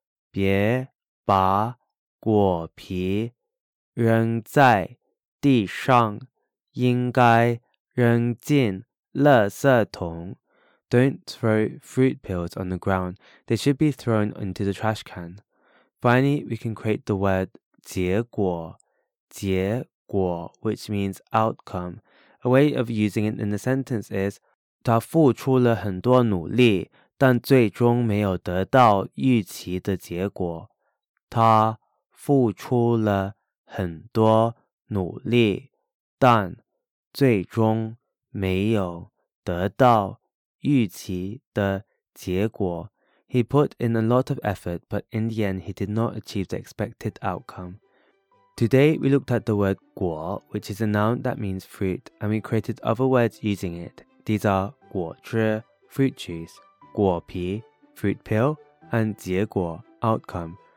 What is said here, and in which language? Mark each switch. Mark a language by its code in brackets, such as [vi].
[zh] 别把果皮扔在地上,应该扔进垃圾桶。 [en] Don't throw fruit peels on the ground. They should be thrown into the trash can. Finally, we can create the word 结果,结果, which means outcome. A way of using it in the sentence is [zh] 他付出了很多努力,但最终没有得到预期的结果。他付出了很多努力,但最终没有得到预期的结果。 [en] He put in a lot of effort, but in the end, he did not achieve the expected outcome. Today, we looked at the word 果, which is a noun that means fruit, and we created other words using it. These are 果汁, fruit juice, 果皮, fruit peel, and 结果, outcome.